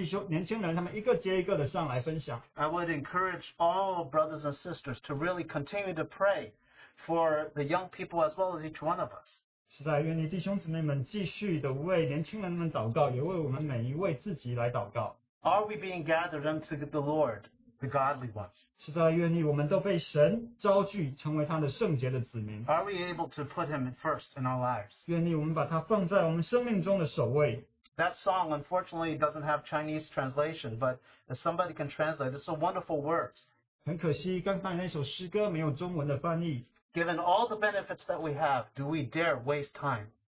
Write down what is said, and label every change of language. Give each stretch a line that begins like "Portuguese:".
Chinese: 现在好像今天是创纪录一样，弟兄年轻人他们一个接一个的上来分享。
English: I would encourage all brothers and sisters to really continue to pray for the young people as well as each one of us.
Chinese: 现在愿意弟兄姊妹们继续的为年轻人们祷告，也为我们每一位自己来祷告。
English: Are we being gathered unto the Lord? The godly ones.
Chinese: 是的，愿意我们都被神召聚，成为他的圣洁的子民。
English: Are we able to put him first in our lives?
Chinese: 愿意我们把他放在我们生命中的首位。
English: That song unfortunately doesn't have Chinese translation, but if somebody can translate, it's a wonderful word.
Chinese: 很可惜，刚才那首诗歌没有中文的翻译。
English: Given all the benefits that we have, do we dare waste time?